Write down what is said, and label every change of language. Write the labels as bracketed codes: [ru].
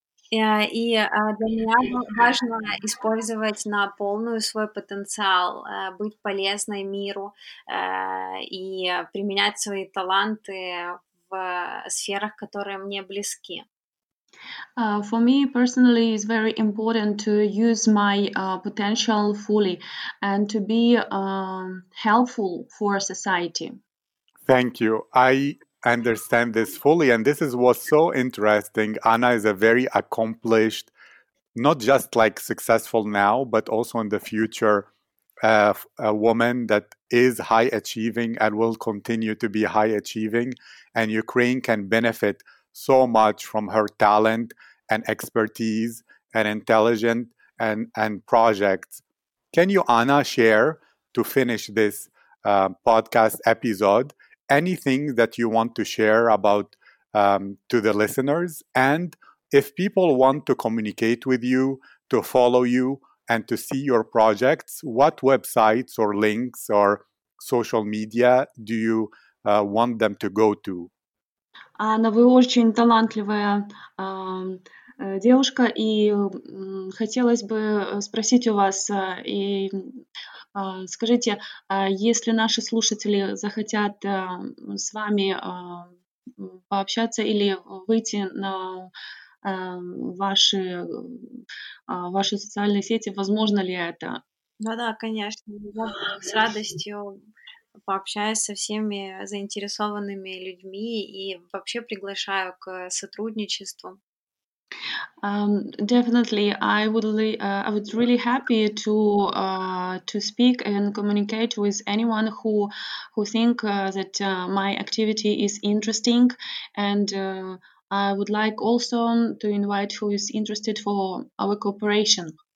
[ru] Для меня важно использовать на полную свой потенциал, быть полезной миру и применять свои таланты в сферах, которые мне близки. [en] For me personally, it's very important to use my potential fully and to be helpful for society. Thank you. I understand this fully, and this is what's so interesting. Anna is a very accomplished, not just like successful now, but also in the future, a woman that is high achieving and will continue to be high achieving. And Ukraine can benefit so much from her talent and expertise and intelligence and projects. Can you, Anna, share to finish this podcast episode anything that you want to share about to the listeners? And if people want to communicate with you, to follow you, and to see your projects, what websites or links or social media do you want them to go to? [ru] Анна, вы очень талантливая девушка, и хотелось бы спросить у вас, и скажите, если наши слушатели захотят с вами пообщаться или выйти на ваши социальные сети, возможно ли это? Да, конечно, я с радостью пообщаюсь со всеми заинтересованными людьми и вообще приглашаю к сотрудничеству. [en] Definitely, I would really happy to speak and communicate with anyone who think that my activity is interesting, and I would like also to invite who is interested for our cooperation.